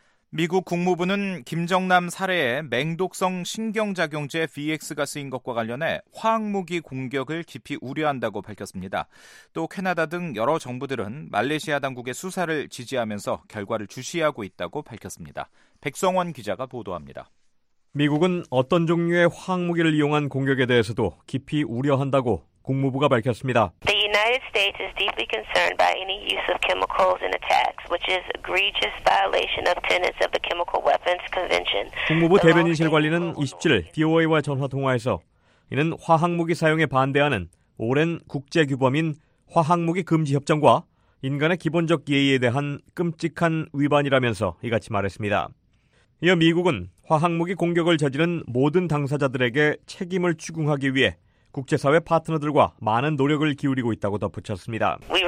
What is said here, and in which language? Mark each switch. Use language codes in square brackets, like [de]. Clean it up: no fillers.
[ko] 미국 국무부는 김정남 살해에 맹독성 신경작용제 VX가 쓰인 것과 관련해 화학무기 공격을 깊이 우려한다고 밝혔습니다. 또 캐나다 등 여러 정부들은 말레이시아 당국의 수사를 지지하면서 결과를 주시하고 있다고 밝혔습니다. 백성원 기자가 보도합니다. 미국은 어떤 종류의 화학무기를 이용한 공격에 대해서도 깊이 우려한다고 국무부가 밝혔습니다. [en] The United States is deeply concerned by any use of chemicals in attacks, which is egregious violation of tenets of the Chemical Weapons Convention. [ko] 국무부 대변인실 관리는 27일 BOA와 전화 통화에서 이는 화학무기 사용에 반대하는 오랜 국제 규범인 화학무기 금지 협정과 인간의 기본적 예의에 대한 끔찍한 위반이라면서 이같이 말했습니다. 이어 미국은 화학무기 공격을 저지른 모든 당사자들에게 책임을 추궁하기 위해 국제사회 파트너들과 많은 노력을 기울이고 있다고 덧붙였습니다.